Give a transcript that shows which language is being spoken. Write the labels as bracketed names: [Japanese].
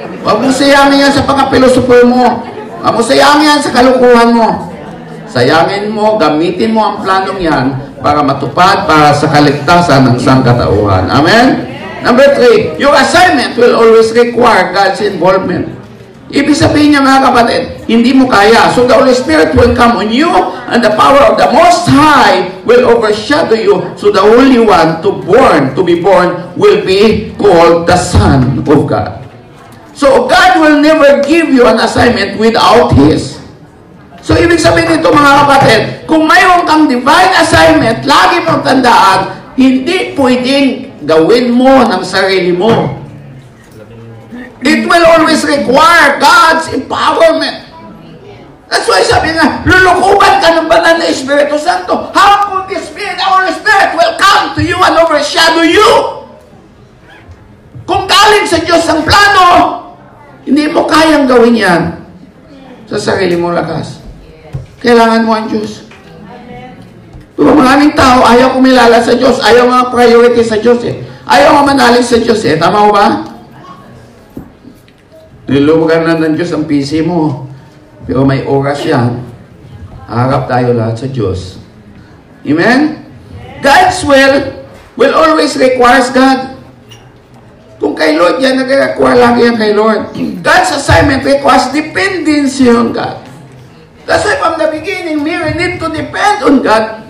[Filipino] Huwag mo sayangin yan sa pagkapilosopo mo. Huwag mo sayangin yan sa kalukuhan mo. Sayangin mo, gamitin mo ang planong yan para matupad para sa kaligtasan ng sangkatauhan. Amen? [English] Number three, your assignment will always require God's involvement. [Filipino] Ibig sabihin niya mga kapatid, hindi mo kaya. [English] So the Holy Spirit will come on you and the power of the Most High will overshadow you. So the Holy One to be born will be called the Son of God. So God will never give you an assignment without His. [Filipino] So ibig sabihin nito mga kapatid, kung mayroon kang divine assignment, lagi mong tandaan, hindi pwedeng gawin mo ng sarili mo. [English] It will always require God's empowerment. That's why [Filipino] sabi nga, lulukuban ka ng banal na Espiritu Santo. [English] How could this be? The Holy Spirit will come to you and overshadow you. [Filipino] Kung galing sa Diyos ang plano, hindi mo kayang gawin yan sa sarili mong lakas. Kailangan mo ang Diyos. Pero maraming tao, ayaw kumilala sa Diyos, ayaw mga priority sa Diyos eh. Ayaw mga manalig sa Diyos eh. Tama ba? Nilubugan na ng Diyos ang PC mo. Pero may oras yan. Harap tayo lahat sa Diyos. Amen? [English] God's will always requires God. [Filipino] Kung kay Lord yan, nag-require lagi yan kay Lord. [English] God's assignment requires dependency on God. That's why from the beginning, Mary need to depend on God.